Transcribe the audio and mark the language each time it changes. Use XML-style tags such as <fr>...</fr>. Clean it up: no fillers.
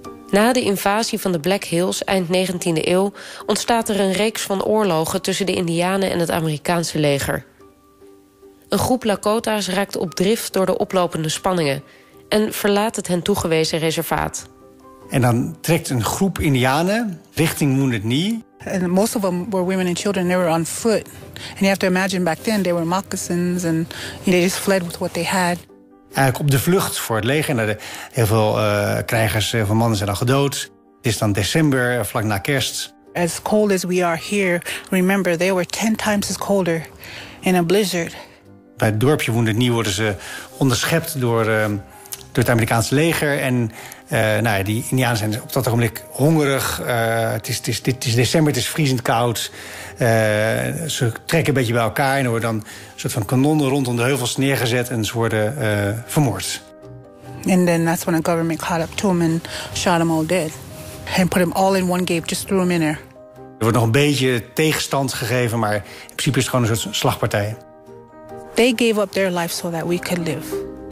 <nl>Na de invasie van de Black Hills eind 19e eeuw ontstaat er een reeks van oorlogen tussen de Indianen en het Amerikaanse leger. Een groep Lakota's raakt op drift door de oplopende spanningen en verlaat het hen toegewezen reservaat. En dan trekt een groep Indianen richting Wounded Knee.</nl> <en>And most of them were women and children. They were on foot. And you have to imagine back then, they were moccasins. And they just fled with what they had.</en> <nl>Eigenlijk op de vlucht voor het leger. Heel veel krijgers, heel veel mannen zijn al gedood. Het is dan december, vlak na kerst.</nl> <en>As cold as we are here, remember, they were 10 times as colder in a blizzard.</en> <nl>Bij het dorpje Wounded Knee worden ze onderschept door het Amerikaanse leger. En die Indianen zijn op dat ogenblik hongerig. Het is december, het is vriezend koud. Ze trekken een beetje bij elkaar en er worden dan een soort van kanonnen rondom de heuvels neergezet en ze worden vermoord.</nl> <en>And then that's when the government caught up to him and shot him all dead. And put him all in one gate, just threw him in there.</en> <nl>Er wordt nog een beetje tegenstand gegeven, maar in principe is het gewoon een soort slagpartij.</nl> <en>They gave up their life so that we could live.</en>